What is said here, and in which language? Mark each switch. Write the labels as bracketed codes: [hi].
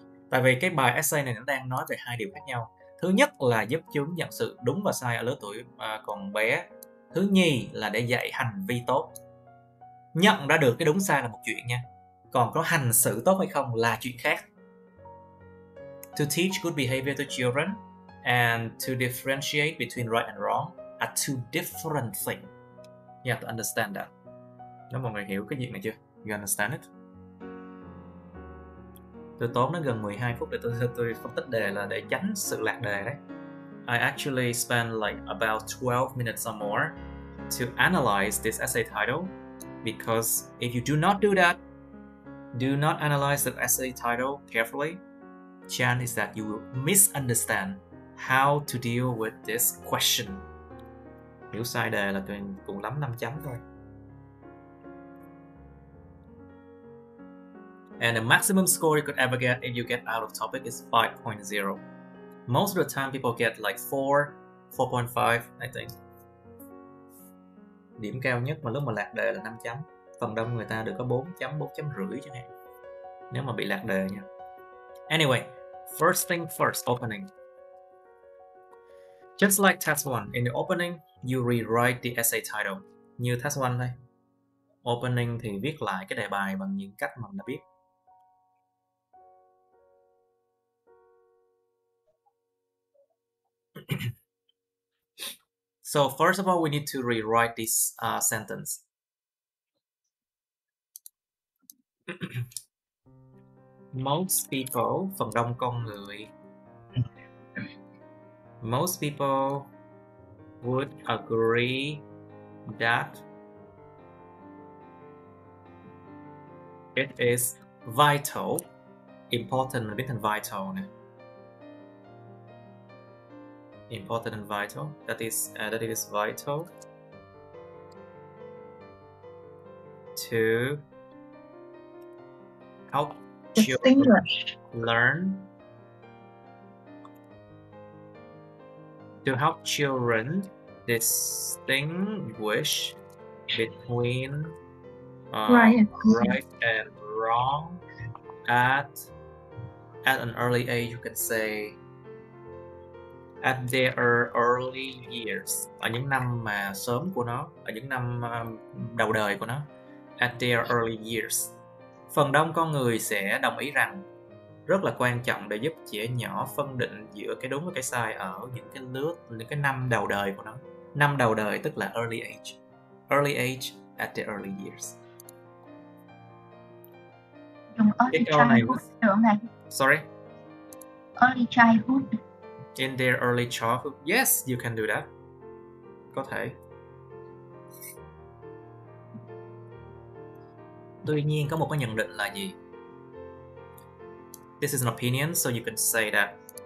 [vi] Tại vì cái bài essay này nó đang nói về hai điều khác nhau. Thứ nhất là giúp chúng nhận sự đúng và sai ở lứa tuổi còn bé. Thứ nhì là để dạy hành vi tốt. Nhận ra được cái đúng sai là một chuyện nha. Còn có hành xử tốt hay không là chuyện khác. [en] To teach good behavior to children and to differentiate between right and wrong are two different things. You have to understand that. [vi] Nếu mọi người hiểu cái chuyện này chưa? [en] You understand it? [vi] Tôi tốn nó gần 12 phút để tôi phân tích đề là để tránh sự lạc đề đấy. [en] I actually spent like about 12 minutes or more to analyze this essay title, because if you do not do that, do not analyze the essay title carefully, chance is that you will misunderstand how to deal with this question. [vi] Hiểu sai đề là cùng lắm 5 chấm thôi. [en] And the maximum score you could ever get if you get out of topic is 5.0. Most of the time people get like 4.5, I think. [vi] Điểm cao nhất mà lúc mà lạc đề là 5 chấm. Phần đông người ta được có 4 chấm, 4 chấm rưỡi chẳng hạn. Nếu mà bị lạc đề nha. [en] Anyway, first thing first, opening. Just like test 1, in the opening, you rewrite the essay title. [vi] Như test 1 đây. Opening thì viết lại cái đề bài bằng những cách mà mình đã biết. [en] So first of all, we need to rewrite this sentence. Most people, [vi] phần đông con người, [en] most people would agree that it is vital, important, [vi] mình biết thành vital này. [en] Important and vital, that it is vital to help children learn, to help children distinguish between right and wrong at an early age, you can say. At their early years, [vi] ở những năm mà sớm của nó, ở những năm đầu đời của nó. [en] At their early years, [vi] phần đông con người sẽ đồng ý rằng rất là quan trọng để giúp trẻ nhỏ phân định giữa cái đúng và cái sai ở những cái năm đầu đời của nó. Năm đầu đời tức là early age. Early age, [en] at the early years. [vi] Dùng early childhood này... [en] Sorry? Early childhood. In their early childhood. Yes, you can do that. [vi] Có thể. Tuy nhiên có một cái nhận định là gì? [en] This is an opinion, so you can say that.